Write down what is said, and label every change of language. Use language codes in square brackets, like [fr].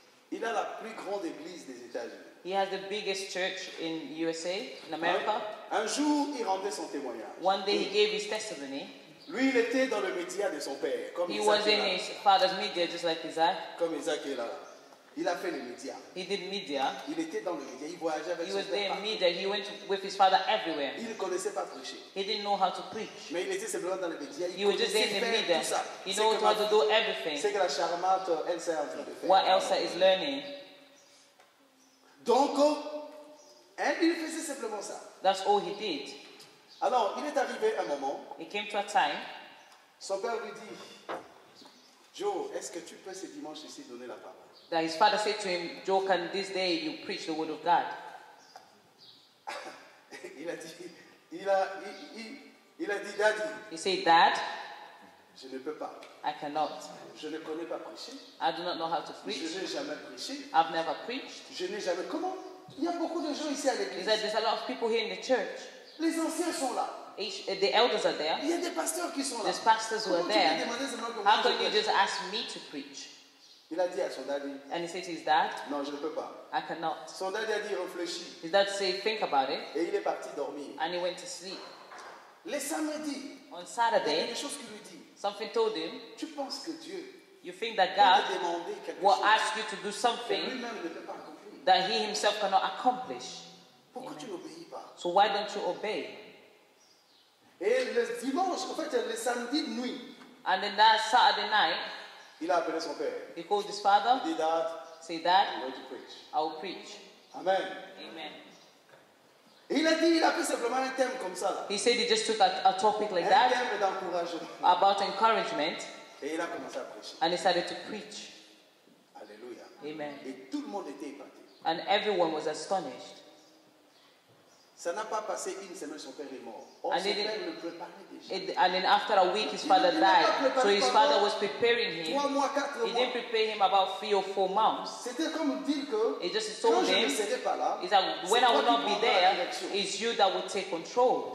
[fr] Il a la plus grande église des États-Unis. [en] He has the biggest church in USA, in America. [fr] Un jour, il rendait son témoignage. [en] One day, he gave his testimony. [fr] Lui, il était dans le média de son père, comme [en] he Isaac. He was in his father's media, just like Isaac. [fr] Comme Isaac est là. Il a fait les médias. [en] He did media. [fr] Il était dans le média. Il voyageait avec [en] he [fr] son père. [en] He was there in media. He went with his father everywhere. [fr] Il ne connaissait pas prêcher. [en] He didn't know how to preach. [fr] Mais il était simplement dans le média. [en] He was just there in the media. [fr] Tout [en] he knew how to do everything. [fr] C'est que la charmante Elsa est en train de faire. [en] What Elsa is learning. [fr] Donc, il faisait simplement ça. [en] That's all he did. [fr] Alors, il est arrivé un moment. [en] It came to a time. [fr] Son père lui dit, Joe, est-ce que tu peux ce dimanche ici donner la parole? [en] That his father said to him, Joe, can this day you preach the word of God? [fr] Il a dit, Daddy. [en] He said, Dad, [fr] je ne peux pas. [en] I cannot. [fr] Je ne connais pas prêcher. I do not know how to preach. Je n'ai jamais prêché. [en] I've never preached. [fr] Je n'ai jamais. Comment? Il y a beaucoup de gens ici à l'église. [en] He said, there's a lot of people here in the church. [fr] Les anciens sont là. [en] The elders are there. [fr] Il y a des pasteurs qui sont là. [en] There's pastors who are there. How can you just ask me to preach? [fr] Il a dit à son daddy. [en] And he said to his dad. [fr] Non, je ne peux pas. [en] I cannot. [fr] Son daddy a dit réfléchis. [en] His dad said think about it. [fr] Et il est parti dormir. [en] And he went to sleep. [fr] Le samedi. [en] On Saturday. [fr] Il y a des choses qu'il lui dit. [en] Something told him. [fr] Tu penses que Dieu. [en] You think that God [fr] peut te demander quelque [en] will [fr] chose [en] ask you to do something that he himself cannot accomplish. [fr] Pourquoi tu n'obéis pas? [en] So why don't you obey? [fr] Et le dimanche, en fait, le samedi nuit. [en] And then that Saturday night. [fr] Il a appelé son père. [en] He called his father. He did that. Say that. I'm going to preach. I will preach. Amen. Amen. [fr] Il a dit, il a pris simplement un thème comme ça. [en] He said he just took a topic like [fr] un [en] that. [fr] Un thème d'encouragement. [en] About encouragement. [fr] Et il a commencé à prêcher. [en] And he started to preach. Alléluia. Amen. [fr] Et tout le monde était épaté. [en] And everyone was astonished. [fr] Ça n'a pas passé une semaine, son père est mort. [en] Oh, and, then, and then after a week his father died. So his father was preparing him. [fr] Mois, [en] he didn't prepare him about 3 or 4 months. He just told him that when I will not be there, it's you that will take control.